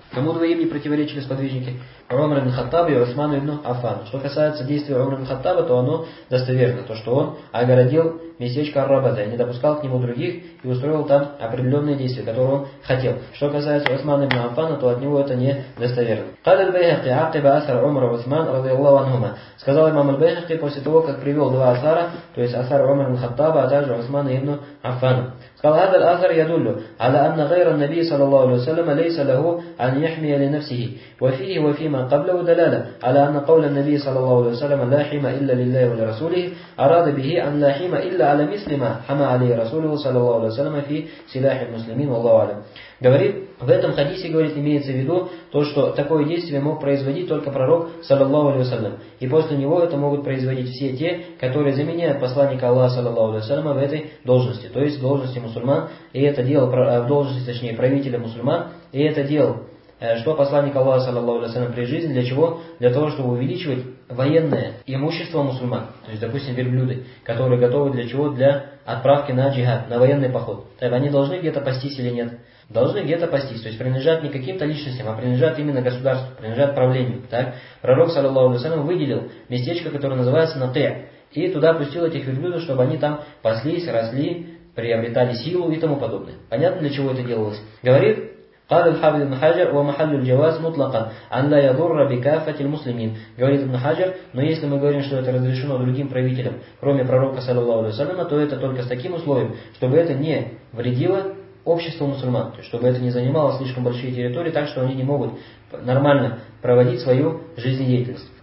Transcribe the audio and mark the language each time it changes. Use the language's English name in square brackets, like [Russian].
[Russian] Кому двоим не противоречили сподвижники? Умар ибн Хаттаб и Усман ибн Аффан. Что касается действия Умара ибн Хаттаба, то оно достоверно. То, что он огородил местечко Ар-Рабаза и не допускал к нему других, и устроил там определенные действия, которые он хотел. Что касается Усмана ибн Аффана, то от него это не достоверно. [Arabic] قال البيهقي عقب أثر عمر وعثمان رضي الله عنهما. [Russian] Сказал имам аль-Байхаки после того, как привел два асара, то есть асар Умара ибн Хаттаба, а также Усмана ибн Аффана. [Arabic] قال هذا الأثر يدل على أن غير النبي صلى الله عليه وسلم ليس له أن يحمي لنفسه وفيه وفيما قبله دلالة على أن قول النبي صلى الله عليه وسلم لا حمى إلا لله ولرسوله أراد به أن لا حمى إلا على مثل ما حمى عليه رسوله صلى الله عليه وسلم في سلاح المسلمين والله أعلم. [Russian] Говорит, в этом хадисе, говорит, имеется в виду то, что такое действие мог производить только пророк, саллаллаху алейхи ва саллям. И после него это могут производить все те, которые заменяют посланника Аллаха, саллаллаху алейхи ва саллям, в этой должности. То есть в должности мусульман, и это делал в должности, точнее, правителя мусульман, и это делал что посланник Аллаха, саллаллаху алейхи ва саллям, при жизни, для чего? Для того, чтобы увеличивать военное имущество мусульман, то есть, допустим, верблюды, которые готовы для чего? Для отправки на джихад, на военный поход. Так они должны где-то пастись или нет? Должны где-то пастись, то есть принадлежат не каким-то личностям, а принадлежат именно государству, принадлежат правлению. Так? Пророк, саллаллаху алейхи ва саллям, выделил местечко, которое называется Натэ, и туда пустил этих верблюдов, чтобы они там паслись, росли, приобретали силу и тому подобное. Понятно, для чего это делалось? Говорит [Arabic] قال الحافظ ابن حجر ومحل الجواز مطلقا أن لا يضر بكافة المسلمين. [Russian] Говорит ابن Хаджар, но если мы говорим, что это разрешено другим правителям, кроме пророка саллаллаху алейхи ва саллям, то это только с таким условием, чтобы это не вредило обществу мусульман, чтобы это не занимало слишком большие территории, так что они не могут нормально проводить свою жизнедеятельность.